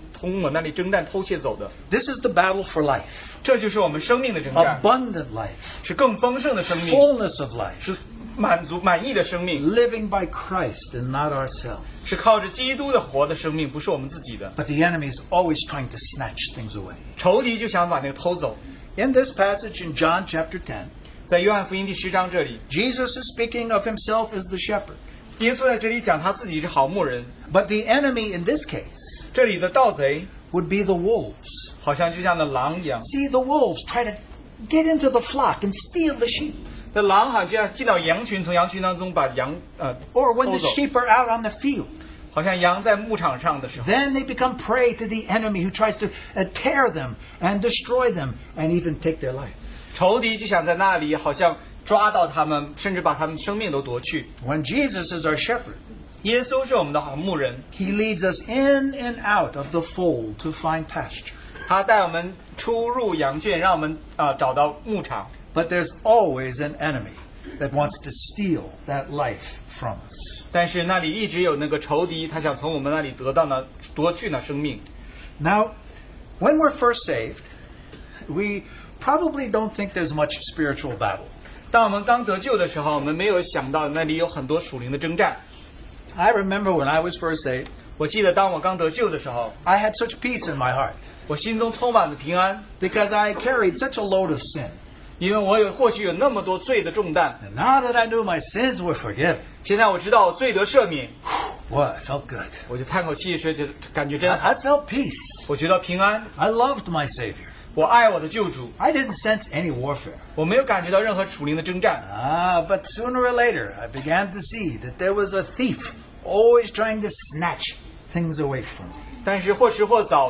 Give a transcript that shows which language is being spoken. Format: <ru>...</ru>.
<zh>这就是仇敌想在那里偷窃从我们那里征战偷窃走的.</zh> <en>This is the battle for life.</en> <zh>这就是我们生命的征战.</zh> <en>Abundant life.</en> <zh>是更丰盛的生命.</zh> <en>Fullness of life.</en> <zh>是满足满意的生命.</zh> <en>Living by Christ and not ourselves.</en> <zh>是靠着基督的活的生命, 不是我们自己的.</zh> <en>But the enemy is always trying to snatch things away.</en> <zh>仇敌就想把那个偷走.</zh> <en>In this passage in John chapter 10,</en> <zh>在约翰福音第十章这里,</zh> <en>Jesus is speaking of himself as the shepherd.</en> <zh>耶稣在这里讲他自己是好牧人,</zh> <en>but the enemy in this case</en> <zh>这里的盗贼,</zh> <en>would be the wolves.</en> <zh>好像就像那狼一样.</zh> <en>See, the wolves try to get into the flock and steal the sheep.</en> <zh>那狼好像进到羊群, 从羊群当中把羊,</zh> <en>or when the sheep are out on the field,</en> <zh>好像羊在牧场上的时候,</zh> <en>then they become prey to the enemy who tries to tear them and destroy them and even take their life.</en> <zh>仇敌就想在那里好像 抓到他们, 甚至把他们生命都夺去.</zh> <en>When Jesus is our shepherd,</en> <zh>耶稣是我们的好牧人,</zh> <en>he leads us in and out of the fold to find pasture.</en> <zh>他带我们出入羊圈, 让我们, 找到牧场.</zh> <en>But there's always an enemy that wants to steal that life from us.</en> <zh>但是那里一直有那个仇敌，他想从我们那里得到那夺去那生命。</zh> <en>Now, when we're first saved, we probably don't think there's much spiritual battle.</en> <zh>当我们刚得救的时候，我们没有想到那里有很多属灵的征战。</zh> <en>I remember when I was first saved.</en> <zh>我记得当我刚得救的时候,</zh> <en>I had such peace in my heart.</en> <zh>我心中充满了平安,</zh> <en>because I carried such a load of sin.</en> <zh>因为我有过去有那么多罪的重担,</zh> <en>and now that I knew my sins were forgiven,</en> <zh>现在我知道我罪得赦免,</zh> <en>well, I felt good.</en> <zh>我就叹口气,感觉真,</zh> <en>I felt peace.</en> <zh>我觉得平安,</zh> <en>I loved my Savior.</en> <zh>我爱我的救主,</zh> <en>I didn't sense any warfare.</en> <zh>我没有感觉到任何属灵的征战,</zh> <en>but sooner or later, I began to see that there was a thief always trying to snatch things away from me.</en>